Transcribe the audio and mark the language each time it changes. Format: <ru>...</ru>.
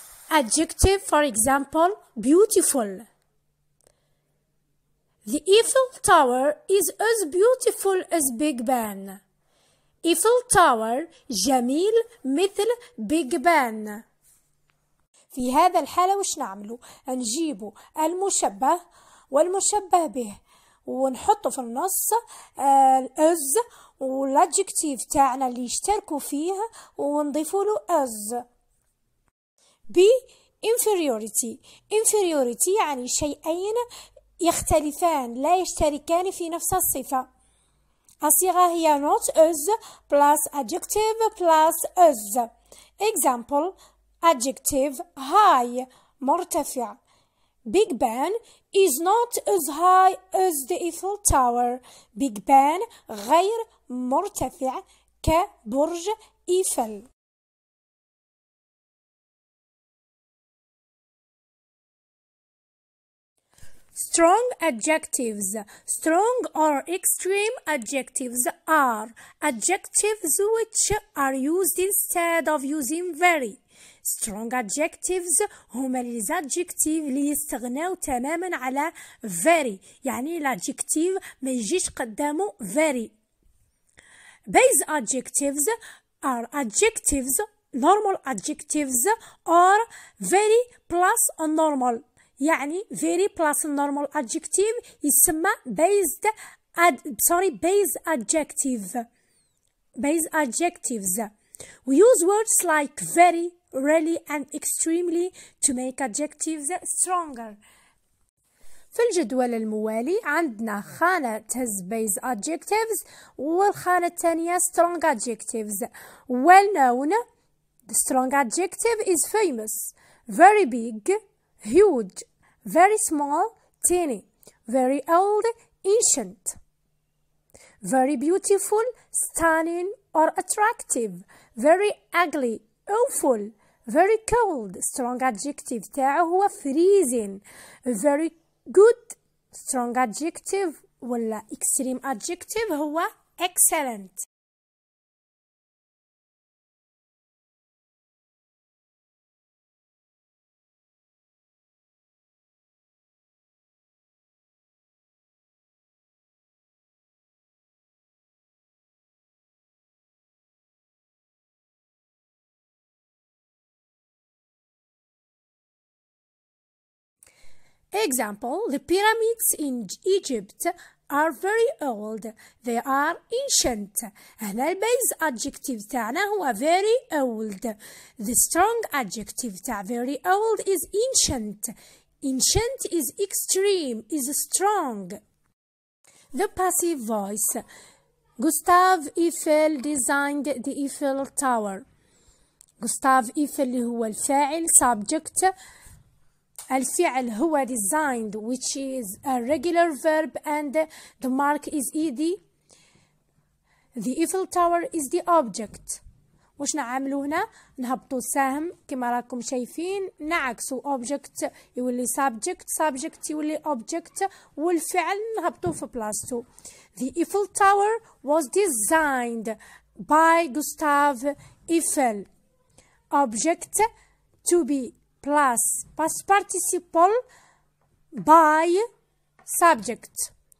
<en>Adjective, for example, beautiful. The Eiffel Tower is as beautiful as Big Ben.</en> <ar>Eiffel Tower, جميل مثل Big Ben. في هذا الحالة وش نعمله؟ نجيبه المشبه والمشبه به ونحطه في النص as والأدجكتيف تاعنا اللي يشتركوا فيه ونضيفه له as.</ar> <en>B, inferiority.</en> <ar>Inferiority يعني شيئين يختلفان لا يشتركان في نفس الصفة. الصيغة هي</ar> <en>not as plus adjective plus as. Example, adjective high, مرتفع. Big Ben is not as high as the Eiffel Tower.</en> <ar>Big Ben غير مرتفع كبرج إيفل.</ar> <en>Strong adjectives. Strong or extreme adjectives are adjectives which are used instead of using very.</en> <ar>Strong adjectives هما الادجكتيف اللي يستغناو تماما على very. يعني الادجكتيف ما يجيش قدامه very.</ar> <en>Base adjectives are adjectives, normal adjectives or very plus normal. يعني very plus normal adjective يسمى base adjectives. We use words like very, really and extremely to make adjectives stronger.</en> <ar>في الجدول الموالي عندنا خانة تهز base adjectives والخانة الثانية strong adjectives.</ar> <en>Well known, the strong adjective is famous. Very big, huge. Very small, teeny. Very old, ancient. Very beautiful, stunning or attractive. Very ugly, awful. Very cold, strong adjective</en> <ar>تاعه هو</ar> <en>freezing. Very good, strong adjective ولا extreme adjective هو excellent. Example, the pyramids in Egypt are very old. They are ancient.</en> <ar>هنا البيز أدجكتيف تاعنا هو very old.</ar> <en>The strong adjective تاع very old is ancient. Ancient is extreme, is strong. The passive voice. Gustave Eiffel designed the Eiffel Tower. Gustave Eiffel</en> <ar>اللي هو الفاعل</ar> <en>subject.</en> <ar>الفعل هو</ar> <en>designed which is a regular verb and the mark is ed. The Eiffel Tower is the object.</en> <ar>واش نعملو هنا؟ نهبطو السهم كما راكم شايفين، نعكسو object يولي subject، subject يولي object، والفعل نهبطو في بلاستو.</ar> <en>The Eiffel Tower was designed by Gustav Eiffel. Object to be plus past participle by subject.</en>